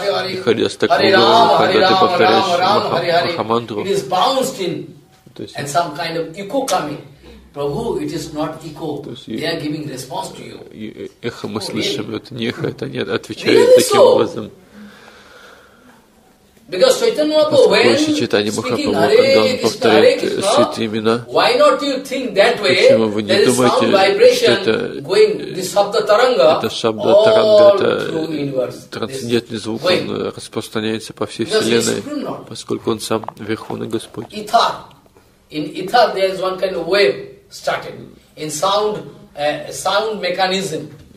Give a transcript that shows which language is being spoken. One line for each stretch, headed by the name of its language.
Russian: И Харидас так говорил, когда ты повторяешь Махамандру. То есть эхо мы слышим, это не эхо, это не отвечает таким образом.
English: Because Chaitanya Mahaprabhu, when speaking Hare Krishna, Hare Krishna,
Russian: имена,
English: why not you think that way?
Russian: Почему вы не думаете, что это шабда таранга, это трансцендентный звук, он распространяется по всей вселенной, поскольку он сам Верховный Господь.
English: In ether, there is one kind of wave started in sound, sound mechanism.